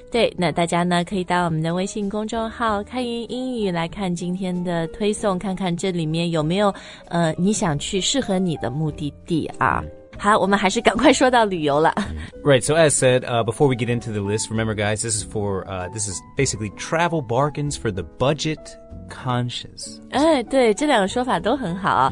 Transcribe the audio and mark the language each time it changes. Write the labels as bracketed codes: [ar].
[zh] 对，那大家呢可以到我们的微信公众号开云英语来看今天的推送，看看这里面有没有你想去适合你的目的地啊。好，我们还是赶快说到旅游了。 [en] Right, so as said, before we get into the list, remember guys, this is for, this is basically travel bargains for the budget conscious. [zh] 哎，对，这两个说法都很好。